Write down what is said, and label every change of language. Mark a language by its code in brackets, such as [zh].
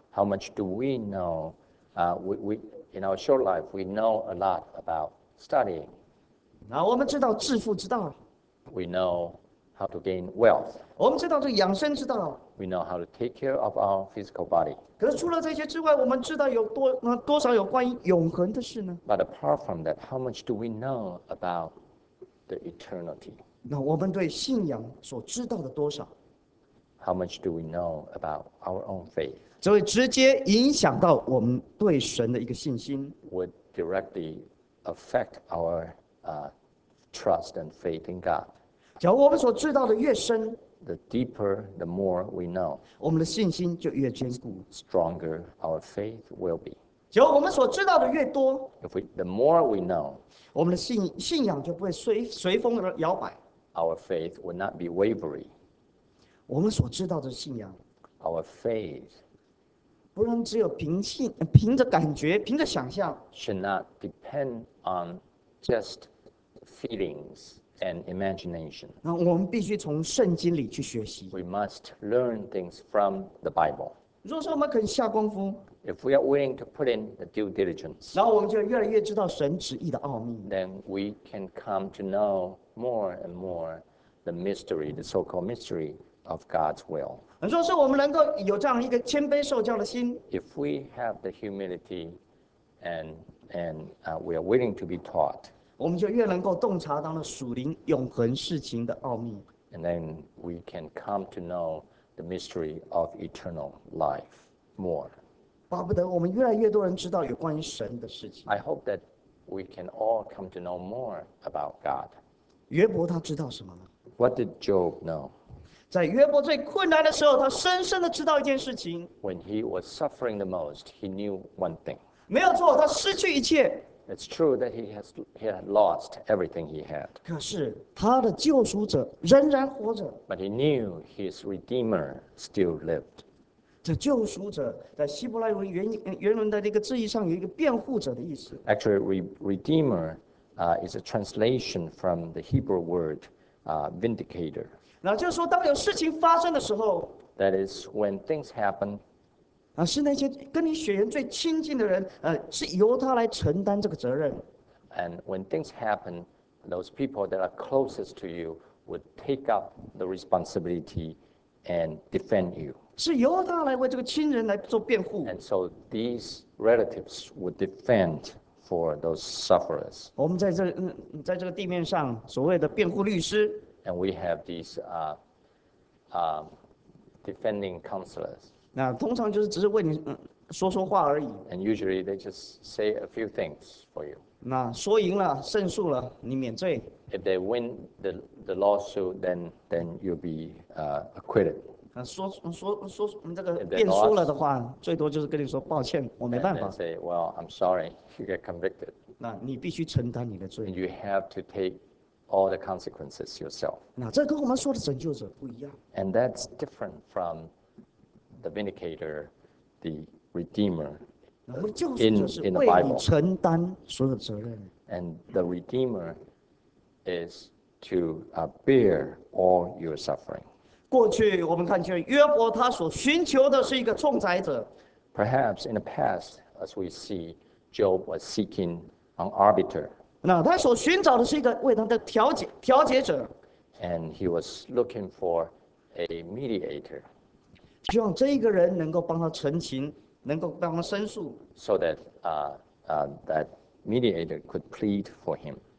[en] How much do we know? We in our short life, we know a lot about studying. [zh] 啊，我们知道致富之道。 [en] We know how to gain wealth. [zh] 我们知道这养生之道。 [en] We know how to take care of our physical body. [zh] 可是除了这些之外，我们知道有多那多少有关于永恒的事呢 [en] ？But apart from that, how much do we know about the eternity? [zh] 那我们对信仰所知道的多少？ [en] How much do we know about our own faith? [zh] 这会直接影响到我们对神的一个信心。 [en] Would directly affect our trust and faith in God. [zh] 假如我们所知道的越深 [en] ，the deeper, the more we know. [zh] 我们的信心就越坚固。 [en] Stronger our faith will be. [zh] 假如我们所知道的越多 [en] ，if we the more we know, [zh] 我们的信仰就不会随风而摇摆。 [en] Our faith will not be wavery. [zh] 我们所知道的信仰 [en] ，our faith. [zh] 不能只有凭着感觉，凭着想象 [en] ，should not depend on just feelings and imagination. [zh] 那我们必须从圣经里去学习。 [en] We must learn things from the Bible. [zh] 若是我们肯下功夫 [en] ，if we are willing to put in the due diligence, [zh] 那我们就越来越知道神旨意的奥秘。 [en] Then we can come to know more and more the mystery, the so-called mystery. Of God's will. [zh] 若是我们能够有这样一个谦卑受教的心 [en] ，If we have the humility, and we are willing to be taught, [zh] 我们就越能够洞察到了属灵永恒事情的奥秘。 [en] And then we can come to know the mystery of eternal life more. [zh] 巴不得我们越来越多人知道有关于神的事情。 [en] I hope that we can all come to know more about God. [zh] 约伯他知道什么呢 [en] ？What did Job know? [zh] 在约伯最困难的时候，他深深的知道一件事情。 [en] When he was suffering the most, he knew one thing. [zh] 没有错，他失去一切。 [en] It's true that he had lost everything he had. [zh] 可是他的救赎者仍然活着。 [en] But he knew his redeemer still lived. [zh] 这救赎者在希伯来文原文的这个字义上有一个辩护者的意思。 [en] Actually, redeemer is a translation from the Hebrew word vindicator. [zh] 那就是说，当有事情发生的时候 [en] ，That is when things happen， [zh] 啊，是那些跟你血缘最亲近的人，是由他来承担这个责任。 [en] And when things happen, those people that are closest to you would take up the responsibility and defend you。 [zh] 是由他来为这个亲人来做辩护。 [en] And so these relatives would defend for those sufferers。 [zh] 我们在这个地面上所谓的辩护律师。 [en] And we have these defending counselors. [zh] 那通常就是只是为你说说话而已。 [en] And usually they just say a few things for you. [zh] 那说赢了，胜诉了，你免罪。 [en] If they win the lawsuit, then you'll be acquitted. [zh] 那说这个辩输了的话，最多就是跟你说抱歉，我没办法。 [en] And say, well, I'm sorry, you get convicted. [zh] 那你必须承担你的罪。 [en] And you have to take. All the consequences yourself. [zh] 那这跟我们说的拯救者不一样。 [en] And that's different from the vindicator, the redeemer. [zh] 那么救赎就是为你承担所有责任。 [en] And the redeemer is to bear all your suffering. [zh] 过去我们看见约伯他所寻求的是一个仲裁者。 [en] Perhaps in the past, as we see, Job was seeking an arbiter. [zh] 那他所寻找的是一个为他的调解者 [en] ，and he was looking for a mediator， [zh] 希望这个人能够帮他陈情，能够帮他申诉 [en] ，so that that mediator could plead for him，